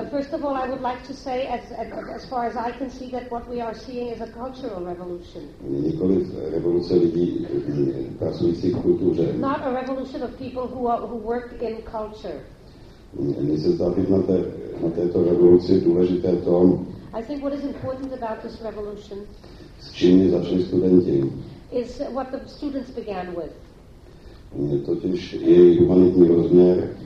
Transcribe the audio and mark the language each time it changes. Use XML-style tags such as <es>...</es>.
<en>First of all, I would like to say, as far as I can see, that what we are seeing is a cultural revolution.</en> <cs>Nikoli revoluce lidí pracujících v kultuře.</cs> <en>Not a revolution of people who work in culture.</en> <cs>Mně se zdá být na této revoluci důležité to,</cs> <en>I think what is important about this revolution,</en> <cs>s čím mi začali studenti,</cs> <en>is what the students began with.</en> <cs>Totiž její humanitní rozměr.</cs>